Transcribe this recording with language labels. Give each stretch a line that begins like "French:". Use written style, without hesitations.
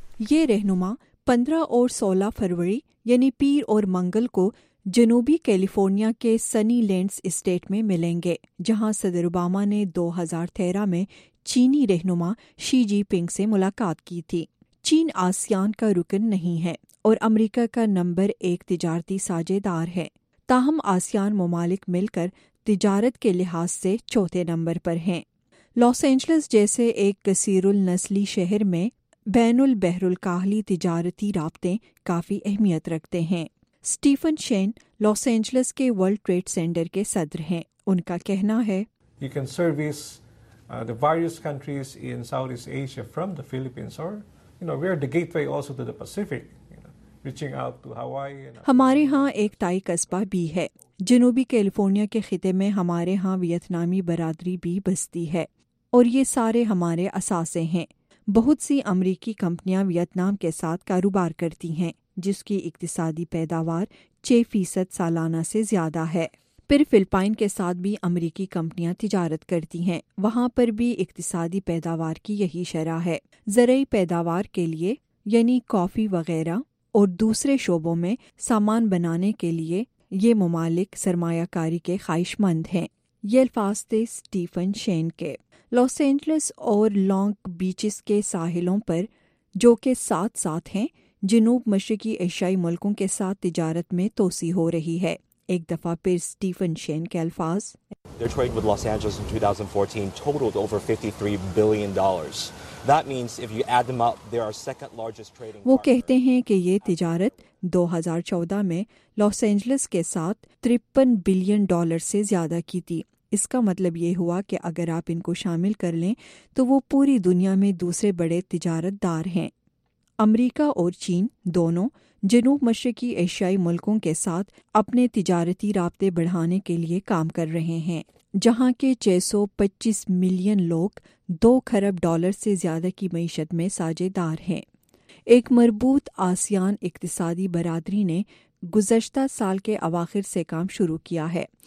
Urdu: یہ رہنما 15 اور 16 فروری یعنی پیر اور منگل کو جنوبی کیلیفورنیا کے سنی لینڈز اسٹیٹ میں ملیں گے، جہاں صدر اوباما نے 2013 میں چینی رہنما شی جی پنگ سے ملاقات کی تھی۔ چین آسیان کا رکن نہیں ہے اور امریکہ کا نمبر ایک تجارتی ساجے دار ہے، تاہم آسیان ممالک مل کر تجارت کے لحاظ سے چوتھے نمبر پر ہیں۔ لاس اینجلس جیسے ایک کثیر النسلی شہر میں بین البحر الکاہلی تجارتی رابطے کافی اہمیت رکھتے ہیں۔ اسٹیفن شین لاس اینجلس کے ورلڈ ٹریڈ سینٹر کے صدر ہیں، ان کا کہنا ہے
English: You can service the various countries in South East Asia from the Philippines اور you know we are the gateway also to the Pacific reaching out to Hawaii.
Urdu: ہمارے ہاں ایک تائی قصبہ بھی ہے جنوبی کیلیفورنیا کے خطے میں، ہمارے ہاں ویتنامی برادری بھی بستی ہے اور یہ سارے ہمارے اثاثے ہیں۔ بہت سی امریکی کمپنیاں ویتنام کے ساتھ کاروبار کرتی ہیں جس کی اقتصادی پیداوار 6% سالانہ سے زیادہ ہے۔ پھر فلپائن کے ساتھ بھی امریکی کمپنیاں تجارت کرتی ہیں، وہاں پر بھی اقتصادی پیداوار کی یہی شرح ہے۔ زرعی پیداوار کے لیے یعنی کافی وغیرہ اور دوسرے شعبوں میں سامان بنانے کے لیے یہ ممالک سرمایہ کاری کے خواہش مند ہیں۔ یہ الفاظ تھے سٹیفن شین کے۔ لاس اینجلس اور لانگ بیچز کے ساحلوں پر جو کہ ساتھ ساتھ ہیں، جنوب مشرقی ایشیائی ملکوں کے ساتھ تجارت میں توسیع ہو رہی ہے۔ ایک دفعہ پھر سٹیفن شین کے الفاظ۔
English: Their trade with Los Angeles in 2014 totaled over $53 billion. That means if you add them up, they are second largest trading partner.
Urdu: وہ کہتے ہیں کہ یہ تجارت 2014 میں لاس اینجلس کے ساتھ 53 بلین ڈالر سے زیادہ کی تھی۔ اس کا مطلب یہ ہوا کہ اگر آپ ان کو شامل کر لیں تو وہ پوری دنیا میں دوسرے بڑے تجارت دار ہیں۔ امریکہ اور چین دونوں جنوب مشرقی ایشیائی ملکوں کے ساتھ اپنے تجارتی رابطے بڑھانے کے لیے کام کر رہے ہیں، جہاں کے 625 ملین لوگ 2 کھرب ڈالر سے زیادہ کی معیشت میں ساجے دار ہیں۔ ایک مربوط آسیان اقتصادی برادری نے گزشتہ سال کے اواخر سے کام شروع کیا ہے۔